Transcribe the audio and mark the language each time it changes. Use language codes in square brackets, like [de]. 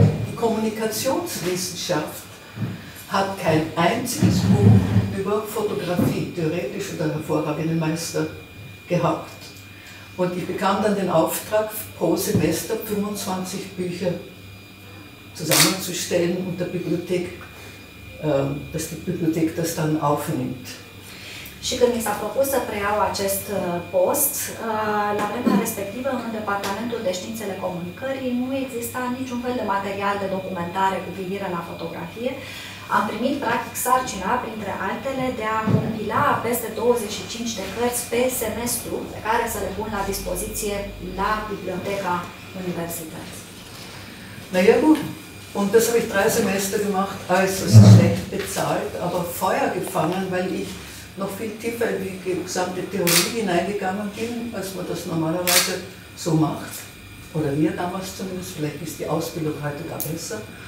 [de] Die Kommunikationswissenschaft hat kein einziges Buch über Fotografie, theoretisch oder hervorragenden Meister, gehabt. Und ich bekam dann den Auftrag, pro Semester 25 Bücher zusammenzustellen und der Bibliothek, dass die Bibliothek das dann aufnimmt. [ro] Și când mi s-a propus să preiau acest post, la vremea respectivă, în Departamentul de Științele Comunicării, nu exista niciun fel de material de documentare cu privire la fotografie. Am primit, practic, sarcina, printre altele, de a compila peste 25 de cărți pe semestru, pe care să le pun la dispoziție la biblioteca universității. Na, e bun. [de] Und das habe ich 3 semestre gemacht, äußerst schlecht bezahlt, aber Feuer gefangen, weil ich noch viel tiefer in die gesamte Theorie hineingegangen bin, als man das normalerweise so macht. Oder wir damals zumindest, vielleicht ist die Ausbildung heute da besser.